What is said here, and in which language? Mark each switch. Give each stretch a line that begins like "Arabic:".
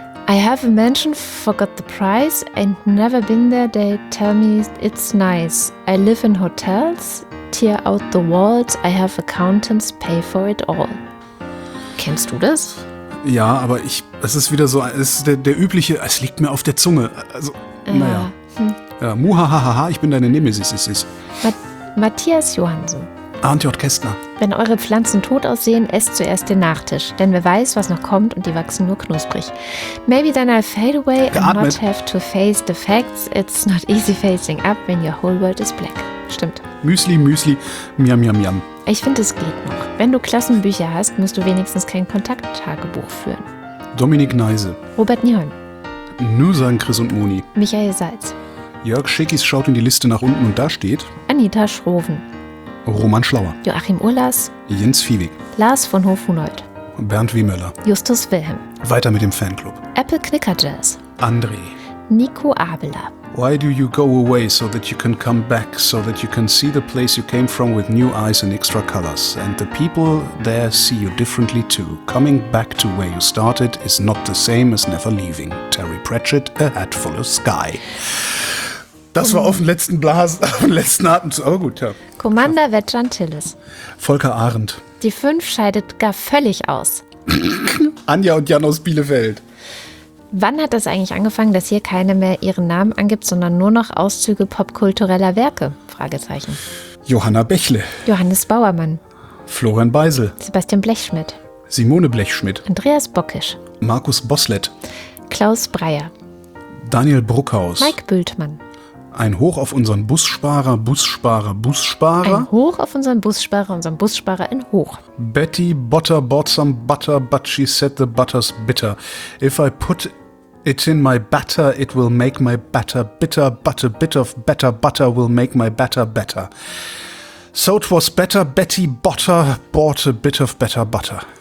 English: I have a mansion, forgot the price, and never been there, they tell me it's nice. I live in hotels, tear out the walls, I have accountants, pay for it all.
German: Kennst du das? Ja, aber ich, es ist wieder so, es ist der übliche, es liegt mir auf der Zunge. Also, naja. Ja, muhahaha, ich bin deine Nemesis, es ist. Matthias Johansen. Arndt J. Kästner. Wenn eure Pflanzen tot aussehen, esst zuerst den Nachtisch. Denn wer weiß, was noch kommt und die wachsen nur knusprig.
English: Maybe then I'll fade away and not have to face the facts. It's not easy facing up when your whole world is black.
German: Stimmt. Müsli, miam, miam, miam. Ich finde, es geht noch. Wenn du Klassenbücher hast, musst du wenigstens kein Kontakttagebuch führen. Dominik Neise. Robert Nieholm. Nur sagen Chris und Moni. Michael Salz. Jörg Schickis schaut in die Liste nach unten und da steht Anita Schroven. Roman Schlauer. Joachim Urlas. Jens Fiewig. Lars von Hofhunold. Bernd Wiemöller. Justus Wilhelm. Weiter mit dem Fanclub. Apple Knicker Jazz. André. Nico Abela.
English: Why do you go away so that you can come back, so that you can see the place you came from with new eyes and extra colors? And the people there see you differently too. Coming back to where you started is not the same as never leaving. Terry Pratchett, A Hat Full of Sky.
German: Das war auf den letzten Blasen, auf den letzten Atemzug. Aber gut, ja. Commander Vetran Tillis. Volker Arendt. Die Fünf scheidet gar völlig aus. Anja und Jan aus Bielefeld. Wann hat das eigentlich angefangen, dass hier keine mehr ihren Namen angibt, sondern nur noch Auszüge popkultureller Werke? Fragezeichen. Johanna Bächle. Johannes Bauermann. Florian Beisel. Sebastian Blechschmidt. Simone Blechschmidt. Andreas Bockisch. Markus Boslett. Klaus Breyer. Daniel Bruckhaus. Mike Bültmann. Ein Hoch auf unseren Bussparer. Ein Hoch auf unseren Bussparer in Hoch.
English: Betty Butter bought some butter, but she said the butter's bitter. If I put it in my batter, it will make my batter bitter, but a bit of better butter will make my batter better. So it was better, Betty Butter bought a bit of better butter.